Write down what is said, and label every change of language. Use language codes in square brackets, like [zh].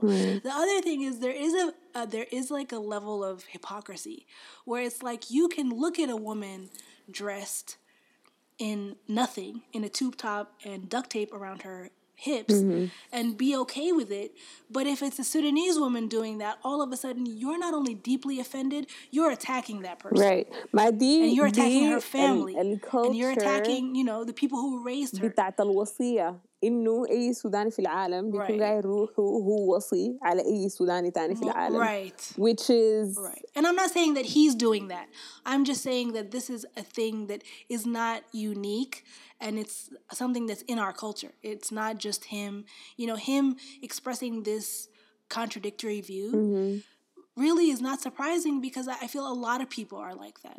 [en] The other thing is, there is a there is like a level of hypocrisy where it's like you can look at a woman dressed in nothing, in a tube top and duct tape around her hips, and be okay with it. But if it's a Sudanese woman doing that, all of a sudden you're not only deeply offended, you're attacking that person. And you're attacking her family. And you're attacking, you know, the people who raised her. [ar] بتاعت الوصية إنه أي سوداني في العالم بيكون جاي روحه هو وصي على أي سوداني تاني في العالم. [en] Which is... And I'm not saying that he's doing that. I'm just saying that this is a thing that is not unique, and it's something that's in our culture. It's not just him. You know, him expressing this contradictory view really is not surprising, because I feel a lot of people are like that.